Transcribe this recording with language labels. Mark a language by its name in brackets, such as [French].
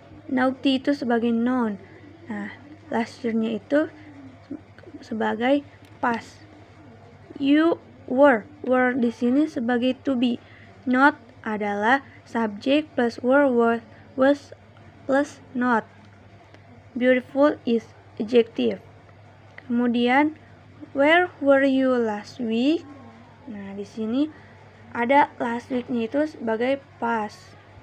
[Indonesian] Naughty itu sebagai noun. Nah, last year-nya itu sebagai past. You were di sini sebagai to be. Not adalah subject plus were was plus not. [English] Beautiful is adjective. Kemudian where were you last week? [Indonesian] Nah, di sini ada last week-nya itu sebagai past.